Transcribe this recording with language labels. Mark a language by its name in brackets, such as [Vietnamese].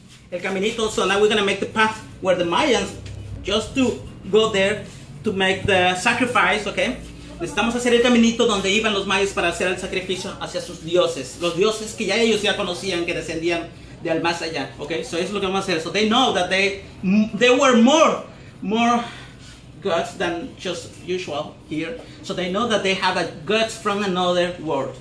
[Spanish] El caminito, [English] so now we're gonna make the path where the Mayans just to go there to make the sacrifice, okay? [Spanish] Necesitamos hacer el caminito donde iban los mayas para hacer el sacrificio hacia sus dioses. Los dioses que ya ellos ya conocían, que descendían de al más allá. Okay, so eso es lo que vamos a hacer. [English] So they know that they were more gods than just usual here. So they know that they have a gods from another world.